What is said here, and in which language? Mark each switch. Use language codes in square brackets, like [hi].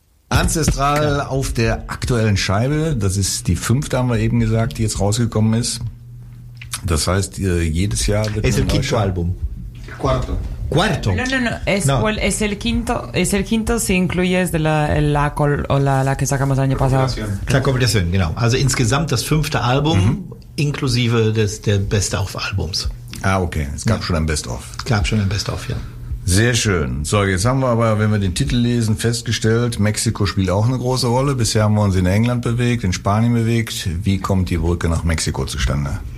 [de] Ancestral auf der aktuellen Scheibe, das ist die 5. haben wir eben gesagt, die jetzt rausgekommen ist. Das heißt, jedes Jahr wird es ein neues Album. [es] Cuarto. Es el quinto, si incluyes la que sacamos año pasado. La combinación, [de] genau. Also insgesamt das 5. Album, inklusive der Best-of-Albums. Ah, okay. Es gab schon ein Best-of. Gab schon ein Best-of, ja. Sehr schön. So, jetzt haben wir aber, wenn wir den Titel lesen, festgestellt, Mexiko spielt auch eine große Rolle. Bisher haben wir uns in England bewegt, in Spanien bewegt. Wie kommt die Brücke nach Mexiko zustande?